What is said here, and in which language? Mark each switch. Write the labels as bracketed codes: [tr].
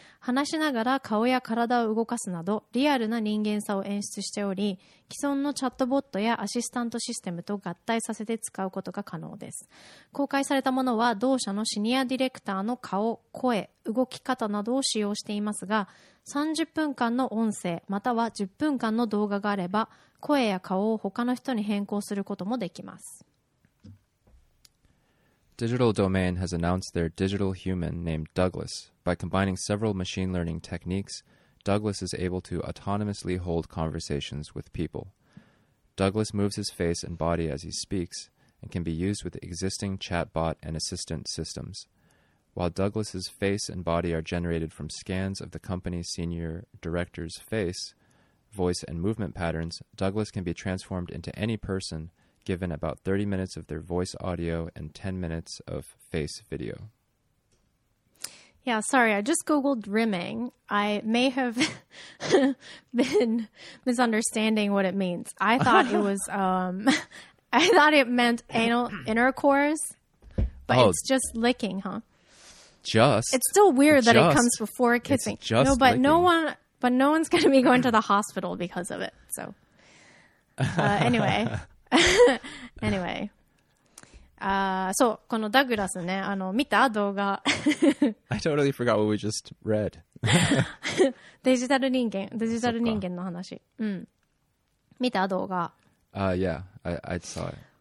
[ja] 話しながら顔や体を動かすなどリアルな人間さを演出しており、既存のチャットボットやアシスタントシステムと合体させて使うことが可能です。公開されたものは同社のシニアディレクターの顔、声、動き方などを使用していますが、30分間の音声または10分間の動画があれば声や顔を他の人に変更することもできます。 [en] Digital Domain has announced their digital human named Douglas. By combining several machine learning techniques, Douglas is able to autonomously hold conversations with people. Douglas moves his face and body as he speaks and can be used with existing chatbot and assistant systems. While Douglas's face and body are generated from scans of the company's senior director's face, voice, and movement patterns, Douglas can be transformed into any person. Given about 30 minutes of their voice audio and 10 minutes of face video. Yeah, sorry, I just googled rimming. I may have been misunderstanding what it means. I thought it was, I thought it meant anal intercourse, but it's just licking, huh? Just. It's still weird that it comes before kissing. It's just licking. No one's going to be going to the hospital because of it. So, anyway. anyway. So, [ja] このダグラスね、あの、見た動画。 [en] I totally forgot what we just read. [ja] デジタル人間、デジタル人間の話。うん。見た動画。 [en] Yeah, I saw it.